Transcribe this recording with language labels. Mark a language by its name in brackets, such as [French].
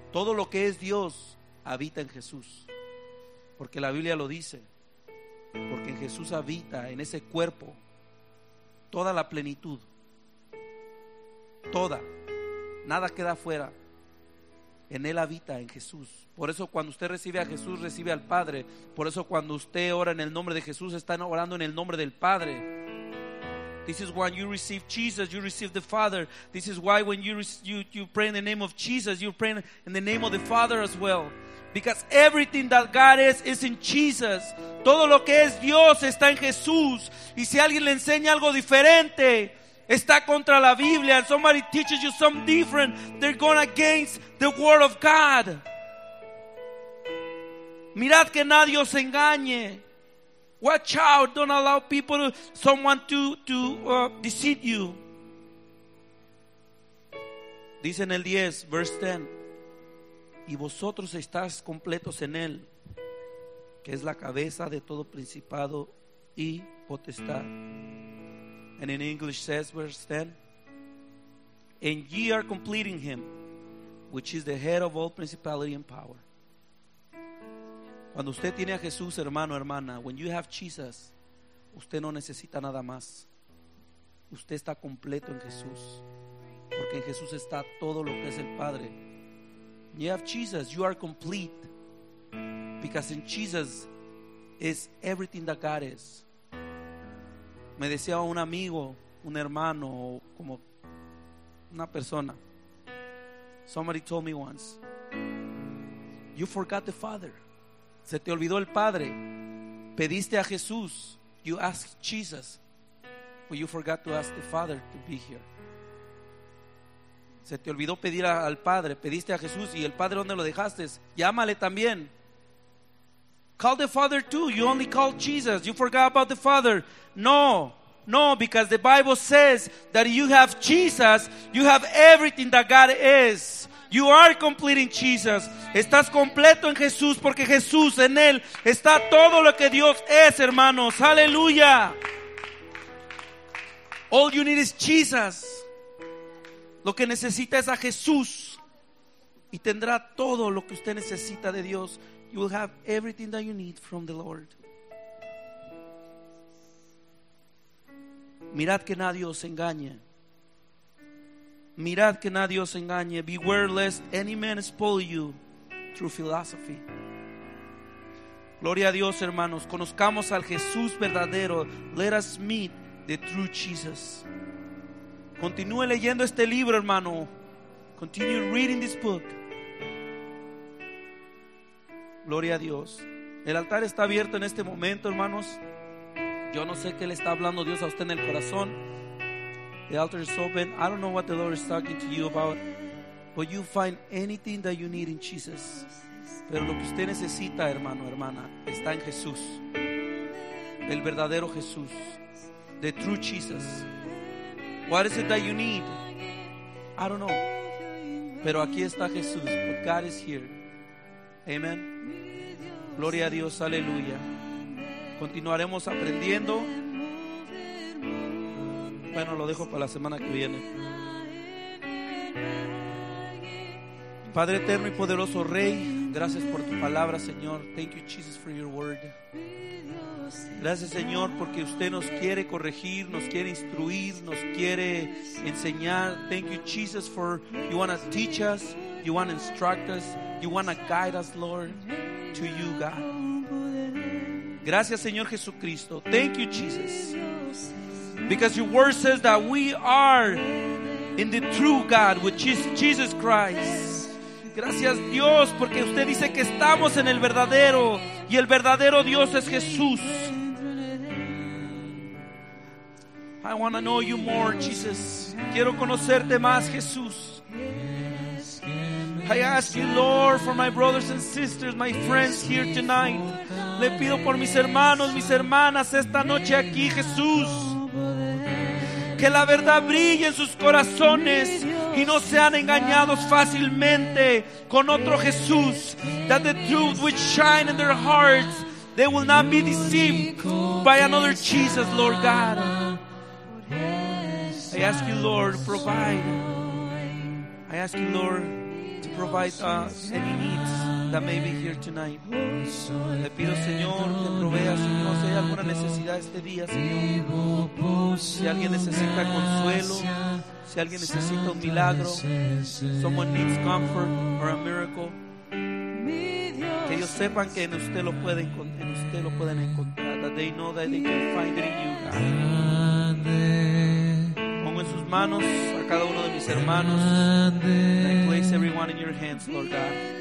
[Spanish] Todo lo que es Dios habita en Jesús, porque la Biblia lo dice, porque en Jesús habita en ese cuerpo toda la plenitud, toda, nada queda fuera. En él habita, en Jesús. Por eso cuando usted recibe a Jesús, recibe al Padre. Por eso cuando usted ora en el nombre de Jesús, está orando en el nombre del Padre. [English] This is when you receive Jesus, you receive the Father. This is why when you pray in the name of Jesus, you pray in the name of the Father as well. Because everything that God is in Jesus. [Spanish] Todo lo que es Dios está en Jesús. Y si alguien le enseña algo diferente, está contra la Biblia. [English] And somebody teaches you something different, they're going against the word of God. [Spanish] Mirad que nadie os engañe. [English] Watch out, don't allow people, someone to deceive you. [Spanish] Dice en el 10, [English] verse 10. [Spanish] Y vosotros estáis completos en él, que es la cabeza de todo principado y potestad. [English] And in English says, verse 10. And ye are complete in him, which is the head of all principality and power. [Spanish] Cuando usted tiene a Jesús, hermano, hermana, [English] when you have Jesus, [Spanish] usted no necesita nada más. Usted está completo en Jesús, porque en Jesús está todo lo que es el Padre. [English] When you have Jesus, you are complete, because in Jesus is everything that God is. [Spanish] Me decía un amigo, un hermano, o como una persona, [English] somebody told me once, you forgot the Father. [Spanish] Se te olvidó el Padre. Pediste a Jesús. [English] You asked Jesus, but you forgot to ask the Father to be here. [Spanish] Se te olvidó pedir al Padre. Pediste a Jesús. ¿Y el Padre dónde lo dejaste? Llámale también. [English] Call the Father too. You only called Jesus. You forgot about the Father. No. No, because the Bible says that you have Jesus, you have everything that God is. You are complete in Jesus. [Spanish] Estás completo en Jesús, porque Jesús, en él está todo lo que Dios es, hermanos. Aleluya. [English] All you need is Jesus. [Spanish] Lo que necesita es a Jesús, y tendrá todo lo que usted necesita de Dios. [English] You will have everything that you need from the Lord. [Spanish] Mirad que nadie os engañe. Mirad que nadie os engañe. [English] Beware lest any man spoil you through philosophy. [Spanish] Gloria a Dios, hermanos. Conozcamos al Jesús verdadero. [English] Let us meet the true Jesus. [Spanish] Continúe leyendo este libro, hermano. [English] Continue reading this book. [Spanish] Gloria a Dios. El altar está abierto en este momento, hermanos. Yo no sé qué le está hablando Dios a usted en el corazón. [English] The altar is open. I don't know what the Lord is talking to you about, but you find anything that you need in Jesus. [Spanish] Pero lo que usted necesita, hermano, hermana, está en Jesús. El verdadero Jesús. [English] The true Jesus. What is it that you need? I don't know. [Spanish] Pero aquí está Jesús. [English] But God is here. [Spanish] Amen. Gloria a Dios, aleluya. Continuaremos aprendiendo. Bueno, lo dejo para la semana que viene. Padre eterno y poderoso Rey, gracias por tu palabra, Señor. [English] Thank you, Jesus, for your word. [Spanish] Gracias, Señor, porque usted nos quiere corregir, nos quiere instruir, nos quiere enseñar. [English] Thank you, Jesus, for you want to teach us, you want to instruct us, you want to guide us, Lord, to you, God. [Spanish] Gracias, Señor Jesucristo. [English] Thank you, Jesus. Because your word says that we are in the true God, which is Jesus Christ. [Spanish] Gracias, Dios, porque usted dice que estamos en el verdadero, y el verdadero Dios es Jesús. [English] I want to know you more, Jesus. [Spanish] Quiero conocerte más, Jesús. [English] I ask you, Lord, for my brothers and sisters, my friends here tonight. [Spanish] Le pido por mis hermanos, mis hermanas, esta noche aquí, Jesús. Que la verdad brille en sus corazones y no sean engañados fácilmente con otro Jesús. [English] That the truth which shine in their hearts, they will not be deceived by another Jesus, Lord God. I ask you, Lord, provide. I ask you, Lord, to provide us any needs that may be here tonight. [Spanish] Le pido, Señor, que provea, Señor, si hay alguna necesidad este día, Señor. Si alguien necesita consuelo, si alguien necesita un milagro, [English] someone needs comfort or a miracle, [Spanish] que ellos sepan que en usted lo pueden encontrar. [English] That they know that they can find it in you, God. [Spanish] Pongo en sus manos a cada uno de mis hermanos. [English] And I place everyone in your hands, Lord God.